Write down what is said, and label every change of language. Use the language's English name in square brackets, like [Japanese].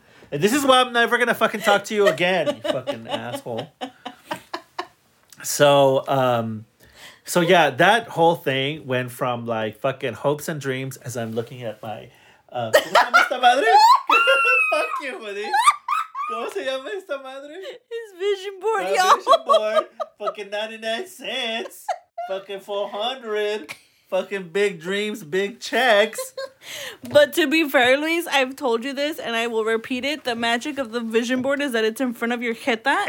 [English] And this is why I'm never going to fucking talk to you again, you fucking asshole. So yeah, that whole thing went from like fucking hopes and dreams as I'm looking at my... [Spanish] ¿Cómo se llama esta madre? [English] Fuck you, buddy. [Spanish] ¿Cómo se llama esta madre? [English] His vision board, my y'all. Vision board. Fucking 99 cents. Fucking 400. Fucking big dreams, big checks. But to be fair, Luis, I've told you this and I will repeat it. The magic of the vision board is that it's in front of your jeta.